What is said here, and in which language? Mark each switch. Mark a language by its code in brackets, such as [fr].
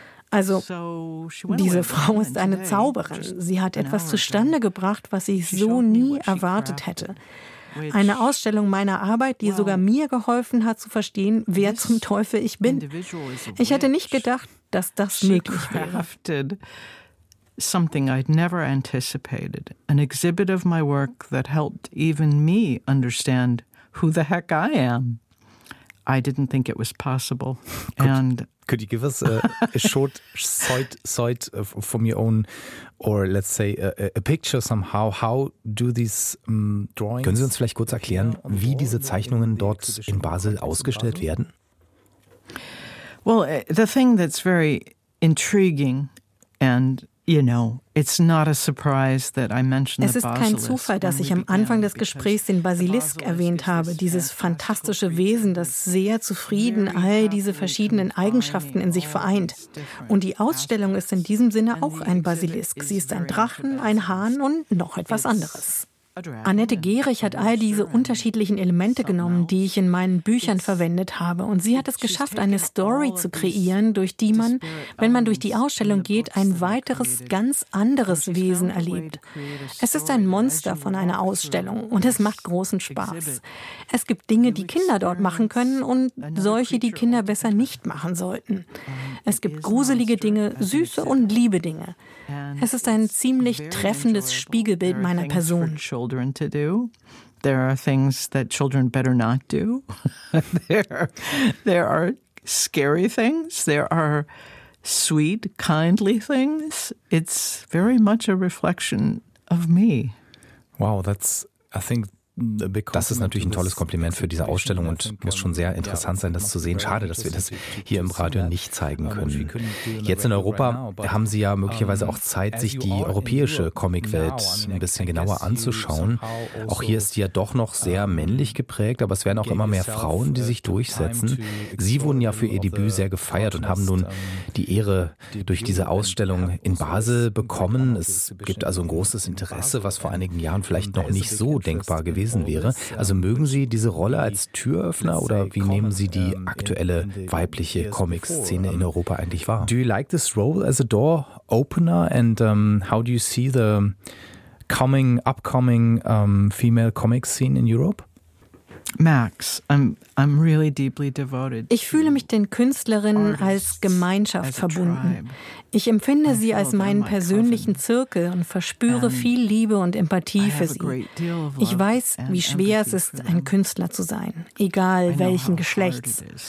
[de] Also, diese Frau ist eine Zauberin. Sie hat etwas zustande gebracht, was ich so nie erwartet hätte. Eine Ausstellung meiner Arbeit, die sogar mir geholfen hat, zu verstehen, wer zum Teufel ich bin. Ich hätte nicht gedacht, dass das möglich wäre. [en] Something I'd never anticipated. An exhibit of my work that helped even me understand who the heck I am. I didn't think it was possible. Could you give us a short sight from your own, or let's say a picture somehow? How do these drawings? [de] Können Sie uns vielleicht kurz erklären, wie diese Zeichnungen dort in Basel ausgestellt werden? [en] Well, the thing that's very intriguing and it's not a surprise that I mentioned [de] the Basilisk. Es ist kein Zufall, dass ich am Anfang des Gesprächs den Basilisk erwähnt habe, dieses fantastische Wesen, das sehr zufrieden all diese verschiedenen Eigenschaften in sich vereint. Und die Ausstellung ist in diesem Sinne auch ein Basilisk. Sie ist ein Drachen, ein Hahn und noch etwas anderes. Annette Gehrig hat all diese unterschiedlichen Elemente genommen, die ich in meinen Büchern verwendet habe. Und sie hat es geschafft, eine Story zu kreieren, durch die man, wenn man durch die Ausstellung geht, ein weiteres, ganz anderes Wesen erlebt. Es ist ein Monster von einer Ausstellung und es macht großen Spaß. Es gibt Dinge, die Kinder dort machen können und solche, die Kinder besser nicht machen sollten. Es gibt gruselige Dinge, süße und liebe Dinge. Es ist ein ziemlich treffendes Spiegelbild meiner Person. [en] Children to do. There are things that children better not do. There are scary things. There are sweet, kindly things. It's very much a reflection of me. Wow, that's, I think, [de] das ist natürlich ein tolles Kompliment für diese Ausstellung und muss schon sehr interessant sein, das zu sehen. Schade, dass wir das hier im Radio nicht zeigen können. Jetzt in Europa haben Sie ja möglicherweise auch Zeit, sich die europäische Comicwelt ein bisschen genauer anzuschauen. Auch hier ist sie ja doch noch sehr männlich geprägt, aber es werden auch immer mehr Frauen, die sich durchsetzen. Sie wurden ja für Ihr Debüt sehr gefeiert und haben nun die Ehre durch diese Ausstellung in Basel bekommen. Es gibt also ein großes Interesse, was vor einigen Jahren vielleicht noch nicht so denkbar gewesen wäre. Also mögen Sie diese Rolle als Türöffner oder wie nehmen Sie die aktuelle weibliche Comic-Szene in Europa eigentlich wahr? [en] Do you like this role as a door opener and how do you see the upcoming female comic scene in Europe? Max, I'm really deeply devoted. [de] Ich fühle mich den Künstlerinnen als Gemeinschaft verbunden. Ich empfinde sie als meinen persönlichen Zirkel und verspüre viel Liebe und Empathie für sie. Ich weiß, wie schwer es ist, ein Künstler zu sein, egal welchen Geschlechts.